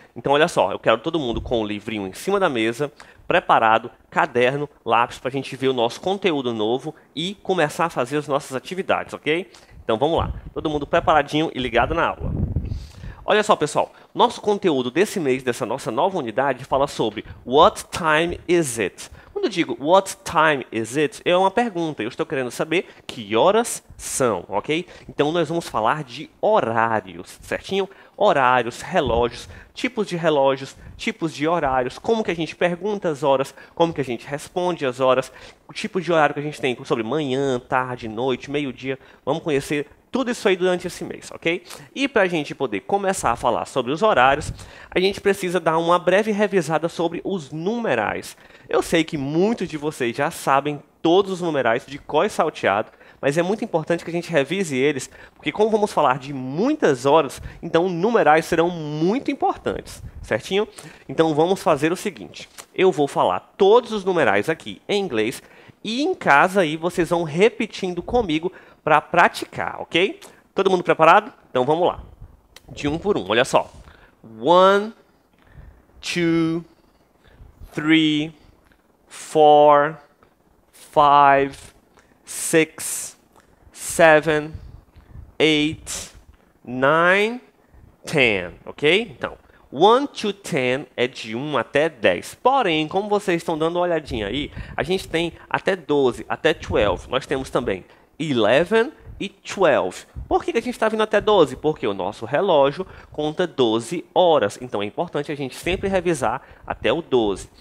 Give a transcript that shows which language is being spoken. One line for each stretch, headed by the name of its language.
Portuguese: Então, olha só, eu quero todo mundo com o livrinho em cima da mesa, preparado, caderno, lápis, para a gente ver o nosso conteúdo novo e começar a fazer as nossas atividades, ok? Então, vamos lá, todo mundo preparadinho e ligado na aula. Olha só, pessoal, nosso conteúdo desse mês, dessa nossa nova unidade, fala sobre
English: What time is it?
Portuguese: Quando eu digo
English: What time is it?
Portuguese: É uma pergunta. Eu estou querendo saber que horas são, ok? Então nós vamos falar de horários, certinho? Horários, relógios, tipos de relógios, tipos de horários, como que a gente pergunta as horas, como que a gente responde as horas, o tipo de horário que a gente tem sobre manhã, tarde, noite, meio-dia. Vamos conhecer tudo isso aí durante esse mês, ok? E para a gente poder começar a falar sobre os horários, a gente precisa dar uma breve revisada sobre os numerais. Eu sei que muitos de vocês já sabem todos os numerais de cor e salteado, mas é muito importante que a gente revise eles, porque como vamos falar de muitas horas, então numerais serão muito importantes, certinho? Então vamos fazer o seguinte: eu vou falar todos os numerais aqui em inglês e em casa aí vocês vão repetindo comigo para praticar, ok? Todo mundo preparado? Então vamos lá. De um por um, olha só.
English: One, two, three, four, five, six, seven, eight, nine, ten, ok?
Portuguese: Então,
English: one to ten
Portuguese: é de 1 até 10. Porém, como vocês estão dando uma olhadinha aí, a gente tem até 12, até 12. Nós temos também 11 e 12. Por que a gente está vindo até 12? Porque o nosso relógio conta 12 horas. Então é importante a gente sempre revisar até o 12.